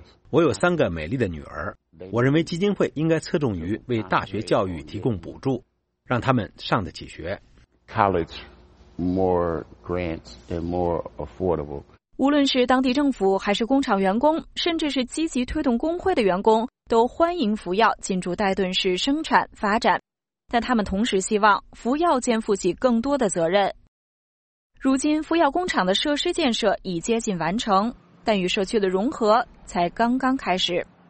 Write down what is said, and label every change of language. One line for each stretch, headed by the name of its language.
Chinese: 我有三个美丽的女儿，我认为基金会应该侧重于为大学教育提供补助，让他们上得起学。
English: College, more grants and more affordable.
Chinese: 无论是当地政府还是工厂员工，甚至是积极推动工会的员工，都欢迎福耀进驻戴顿市生产发展，但他们同时希望福耀肩负起更多的责任。如今福耀工厂的设施建设已接近完成，但与社区的融合才刚刚开始。